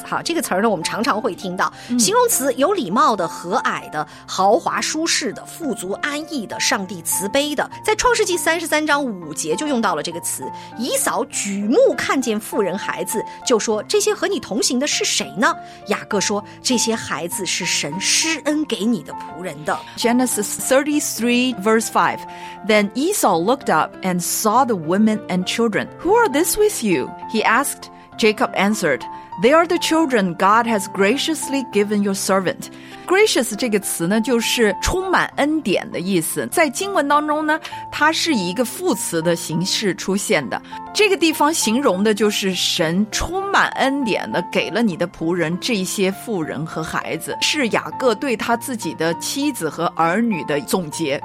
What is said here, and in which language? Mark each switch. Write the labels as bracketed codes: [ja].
[zh] 好，这个词呢我们常常会听到，形容词，有礼貌的、和蔼的、豪华舒适的、富足安逸的、上帝慈悲的。在创世纪33:5就用到了这个词，以扫举目看见妇人孩子，就说这些和你同行的是谁呢？雅各说这些孩子是神施恩给你的仆人的。 [en] Genesis 33:5,Then Esau looked up and saw the women and children. Who are these with you? He asked. Jacob answered, They are the children God has graciously given your servant. [zh] Gracious 这个词呢，就是充满恩典的意思。在经文当中呢，它是以一个副词的形式出现的。这个地方形容的就是神充满恩典的给了你的仆人这些妇人和孩子，是雅各对他自己的妻子和儿女的总结。